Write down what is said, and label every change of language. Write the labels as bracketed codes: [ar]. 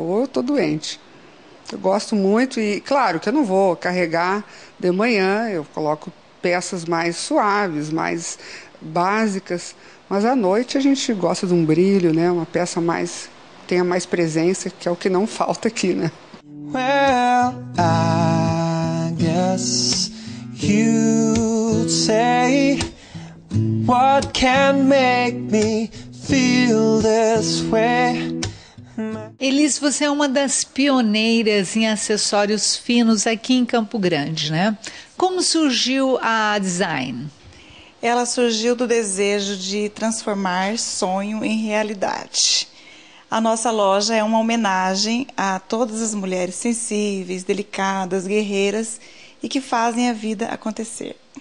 [pt] Ou eu estou doente. Eu gosto muito e, claro, que eu não vou carregar de manhã, eu coloco peças mais suaves, mais básicas, mas à noite a gente gosta de um brilho, né? Uma peça mais tenha mais presença, que é o que não falta aqui, né? [en] Well, I guess you'd say what can make me feel this way. [pt] Elis, você é uma das pioneiras em acessórios finos aqui em Campo Grande, né? Como surgiu a Design? Ela surgiu do desejo de transformar sonho em realidade. A nossa loja é uma homenagem a todas as mulheres sensíveis, delicadas, guerreiras e que fazem a vida acontecer.